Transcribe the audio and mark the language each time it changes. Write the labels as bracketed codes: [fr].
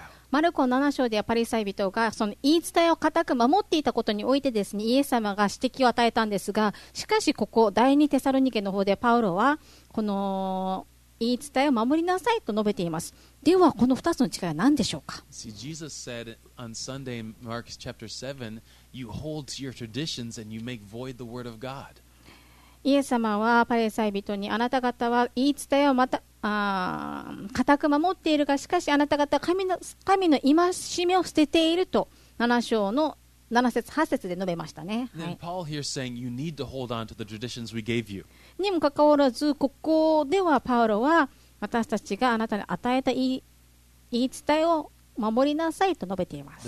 [ja] マルコ7章ではパリサイ人がその言い伝えを固く守っていたことにおいてですね、イエス様が指摘を与えたんですが、しかしここ第二テサロニケの方でパウロはこの言い伝えを守りなさいと述べています。ではこの2つの違いは何でしょうか。 [en] See, Jesus said on Sunday in Mark chapter 7, you hold to your traditions and you make void the word of God。 [ja] イエス様はパリサイ人にあなた方は言い伝えをまた固く守っているが、しかしあなた方は神の戒めを捨てていると7章の7節8節で述べましたね。はい。 [en] Paul here saying you need to hold on to the traditions we gave you。 [ja] にもかかわらずここではパウロは私たちがあなたに与えた言い伝えを守りなさいと述べています。